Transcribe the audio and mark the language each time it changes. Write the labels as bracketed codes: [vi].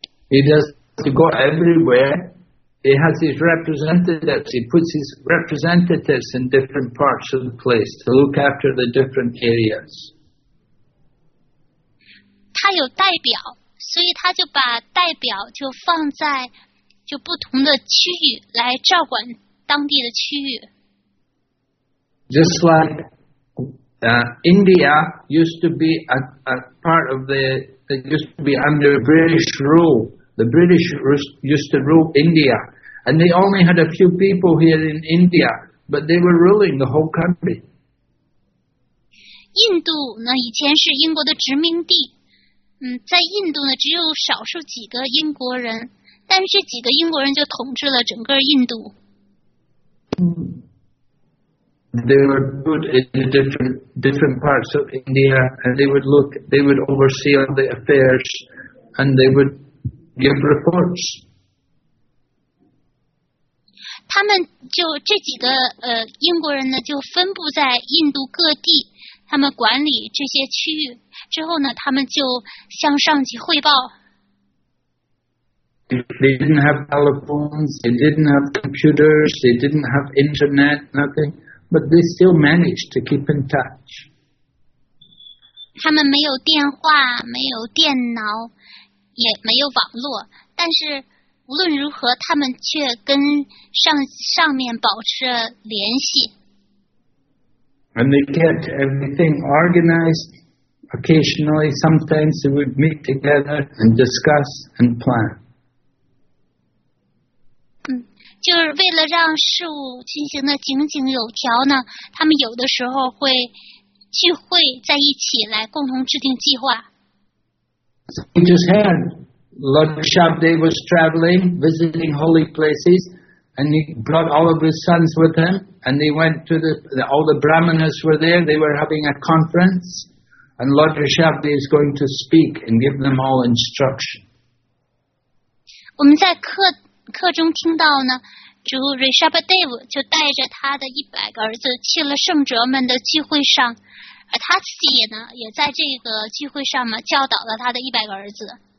[en] He does to go everywhere. He has his representatives. He puts his representatives in different parts of the place to look after the different areas. [zh] 他有代表，所以他就把代表就放在就不同的区域来照管当地的区域。 [en] Just like India used to be a part of used to be under British rule. The British used to rule India, and they only had a few people here in India, but they were ruling the whole country. [zh] 印度呢，以前是英国的殖民地。在印度呢，只有少数几个英国人，但是这几个英国人就统治了整个印度。 [en] They were put in different parts of India, and they would oversee all the affairs, and they would give reports. [zh] 他们就这几个英国人呢，就分布在印度各地，他们管理这些区域之后呢，他们就向上级汇报。 [en] They didn't have telephones, they didn't have computers, they didn't have internet, nothing. But they still managed to keep in touch. [zh] 他们没有电话，没有电脑，也没有网络。但是无论如何，他们却跟上面保持着联系。 [en] And they kept everything organized. Occasionally, sometimes they would meet together and discuss and plan. [zh] 就是为了让事物进行的井井有条呢，他们有的时候会聚会在一起来共同制定计划。 [en] We just heard Lord Shabdev was traveling, visiting holy places, and he brought all of his sons with him, and they went to all the Brahmanas were there, they were having a conference, and Lord Shabdev is going to speak and give them all instruction. [zh] 我们在课中听到呢，主 Rishabhadev 就带着他的100个儿子去了圣哲们的聚会上，而他自己呢，也在这个聚会上嘛，教导了他的100个儿子。